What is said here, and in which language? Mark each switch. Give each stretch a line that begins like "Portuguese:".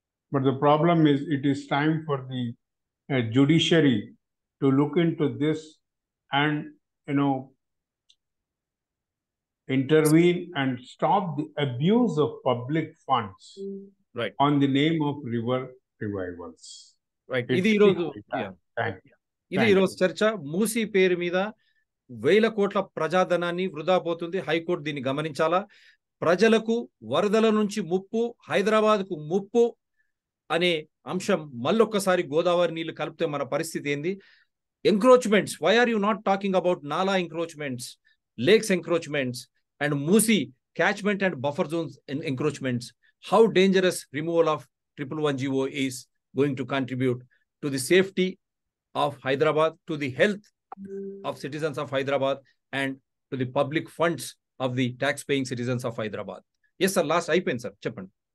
English: But the problem is, it is time for the judiciary to look into this and, intervene and stop the abuse of public funds right on the name of river revivals. Right. It's thank you.
Telugu: ఇది ఈరోజు చర్చ. మూసీ పేరు మీద వేల కోట్ల ప్రజాధనాన్ని వృధా పోతుంది. హైకోర్టు దీన్ని గమనించాలా. ప్రజలకు వరదల నుంచి ముప్పు, హైదరాబాద్కు ముప్పు అనే అంశం. మళ్ళొక్కసారి గోదావరి నీళ్లు కలిపితే మన పరిస్థితి ఏంది?
English: Encroachments, why are you not talking about nala encroachments, lakes encroachments and Musi catchment and buffer zones encroachments? How dangerous removal of 111GO is going to contribute to the safety of Hyderabad, to the health of citizens of Hyderabad and to the public funds of the tax-paying citizens of Hyderabad. Yes, sir. Last, I pen, sir. Chappan.